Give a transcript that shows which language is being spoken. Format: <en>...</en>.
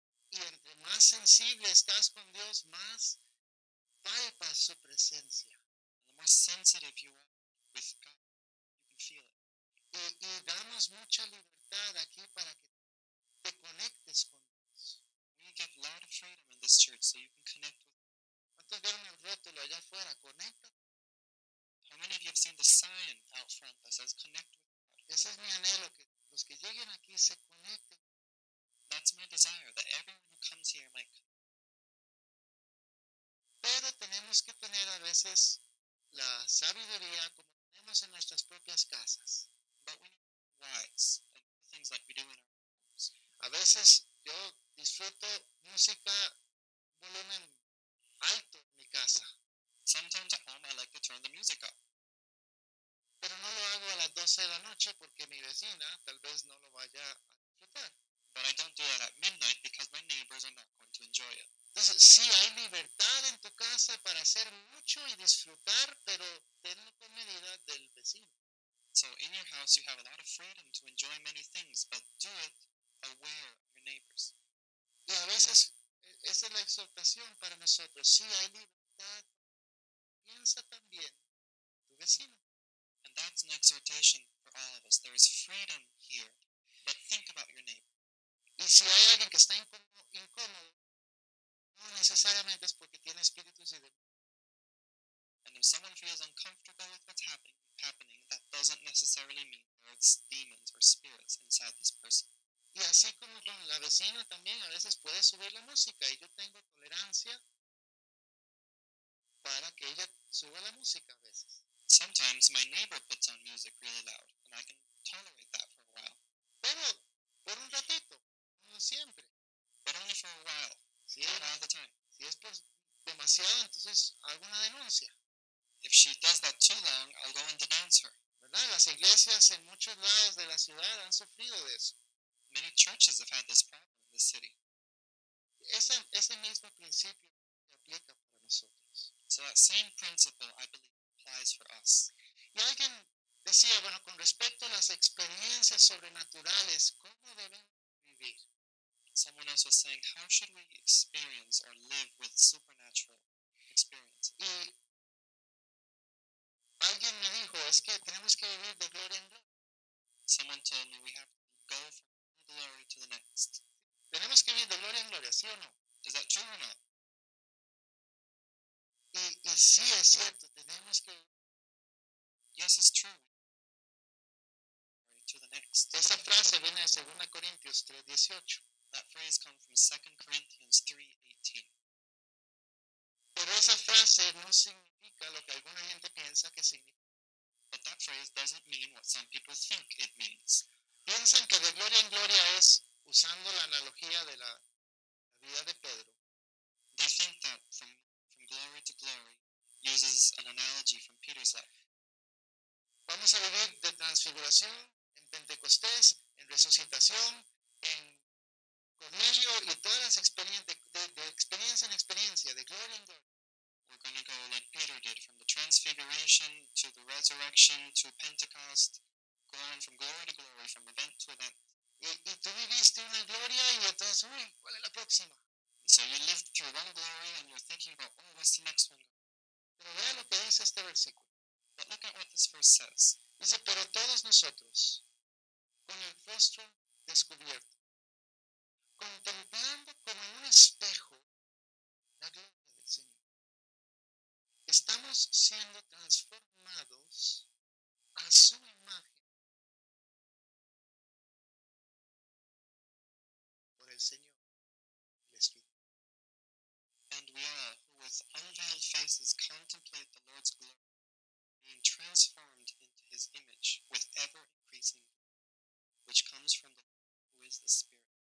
<es>Y entre más sensible estás con Dios, más palpas su presencia.</es> <en>The more sensitive you are with God, you can feel it.</en> <es>Y damos mucha libertad aquí para que te conectes con Dios.</es> <en>We give a lot of freedom in this church so you can connect with God.</en> <es>¿Cuántos vieron el rótulo allá afuera? Conecta.</es> <en>How many of you have seen the sign out front that says connect with God?</en> <es>Ese es mi anhelo, que los que lleguen aquí se conecten.</es> <en>That's my desire, that everyone who comes here might come.</en> <es>Pero tenemos que tener a veces la sabiduría como tenemos en nuestras propias casas.</es> <en>But we need wise, and things like we do in our homes.</en> <es>A veces yo disfruto música volumen alto en mi casa.</es> <en>Sometimes at home I like to turn the music up.</en> <es>Pero no lo hago a las 12 de la noche porque mi vecina tal vez no lo vaya a disfrutar.</es> <en>But I don't do that at midnight because my neighbors are not going to enjoy it.</en> <es>Entonces, sí, hay libertad en tu casa para hacer mucho y disfrutar, pero tenlo con medida del vecino.</es> <en>So, in your house, you have a lot of freedom to enjoy many things, but do it aware of your neighbors.</en> <es>Y a veces, esa es la exhortación para nosotros. Sí, hay libertad. Piensa también tu vecino.</es> <en>And that's an exhortation for all of us. There is freedom here, but think about your neighbor.</en> <es>Y si hay alguien que está incómodo, no necesariamente es porque tiene espíritus y demonios.</es> <en>And if someone feels uncomfortable with what's happening, that doesn't necessarily mean there's demons or spirits inside this person.</en> <es>Y así como con la vecina también, a veces puede subir la música y yo tengo tolerancia para que ella suba la música a veces.</es> <en>Sometimes my neighbor puts on music really loud and I can tolerate that for a while.</en> <es>Pero por un ratito, no siempre.</es> <en>But only for a while.</en> <es>Si es,</es> <en>all the time.</en> <es>Si es pues, demasiado, entonces hago una denuncia.</es> <en>If she does that too long, I'll go and denounce her.</en> <es>¿Verdad? Las iglesias en muchos lados de la ciudad han sufrido de eso.</es> <en>Many churches have had this problem in this city.</en> <es>Ese mismo principio se aplica para nosotros.</es> <en>So that same principle, I believe, applies for us.</en> <es>Y alguien decía, bueno, con respecto a las experiencias sobrenaturales, ¿cómo debemos vivir?</es> <en>Someone else was saying, how should we experience or live with supernatural experiences?</en> <es>Y alguien me dijo, es que tenemos que vivir de gloria en gloria.</es> <en>Someone told me, we have to go from one glory to the next.</en> <es>Tenemos que vivir de gloria en gloria, ¿sí o no?</es> <en>Is that true or not?</en> <es>Y sí, es cierto, tenemos que vivir.</es> <en>Yes, it's true. To the next.</en> <es>Esa frase viene de 2 Corintios 3:18.</es> <en>That phrase comes from 2 Corinthians 3:18.</en> <es>Pero esa frase no significa lo que alguna gente piensa que significa.</es> <en>But that phrase doesn't mean what some people think it means.</en> <es>Piensan que de gloria en gloria es, usando la analogía de la vida de Pedro.</es> <en>They think that from glory to glory uses an analogy from Peter's life.</en> <es>Vamos a vivir de transfiguración, en Pentecostés, en resucitación, en Cornelio y todas las experiencias de experiencia en experiencia, de gloria en gloria.</es> <en>We're going to go like Peter did, from the transfiguration to the resurrection to Pentecost, going from glory to glory, from event to event.</en> <es>Y tú viviste una gloria y entonces, uy, ¿cuál es la próxima?</es> <en>So you lived through one glory and you're thinking about, oh, what's the next one?</en> <es>Pero vea lo que dice este versículo.</es> <en>But look at what this verse says.</en> <es>Dice, pero todos nosotros, con el rostro descubierto, contemplando como en un espejo la gloria del Señor, estamos siendo transformados a su imagen por el Señor, el Espíritu.</es> <en>And we all, who with unveiled faces contemplate the Lord's glory, being transformed into his image with ever increasing glory, which comes from the Lord, who is the Spirit.</en>